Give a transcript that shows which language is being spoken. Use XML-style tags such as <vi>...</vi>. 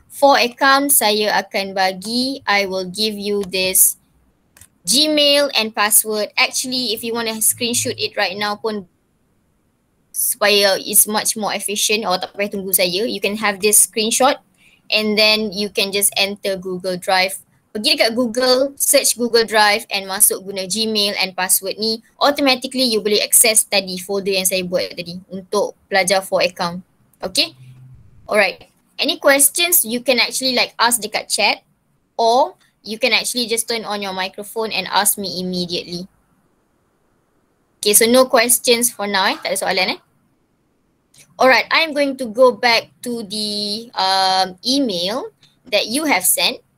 <en>For account,</en> <ms>saya akan bagi,</ms> <en>I will give you this Gmail and password. Actually, if you want to screenshot it right now pun, supaya it's much more efficient or</en> <ms>tak payah tunggu saya,</ms> <en>you can have this screenshot and then you can just enter Google Drive.</en> <ms>Pergi dekat Google, search Google Drive and masuk guna Gmail and password ni.</ms> <en>Automatically, you</en> <ms>boleh access tadi folder yang saya buat tadi untuk pelajar for account.</ms> <en>Okay? Alright. Any questions, you can actually like ask dekat chat or you can actually just turn on your microphone and ask me immediately. Okay, so no questions for now eh.</en> <ms>Tak ada soalan eh.</ms> <en>Alright, I'm going to go back to the email that you have sent.</en>